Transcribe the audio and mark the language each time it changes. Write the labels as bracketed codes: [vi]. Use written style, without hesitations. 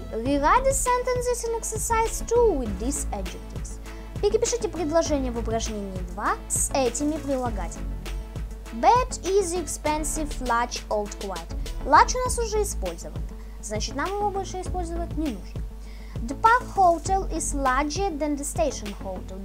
[en] Rewrite the sentences in exercise 2 with these adjectives. [ru] Перепишите предложение в упражнении 2 с этими прилагательными. [en] Bed is expensive, large, old, quiet. Large [ru] у нас уже использовано. значит, нам его больше использовать не нужно. [en] The pub hotel is larger than the station hotel.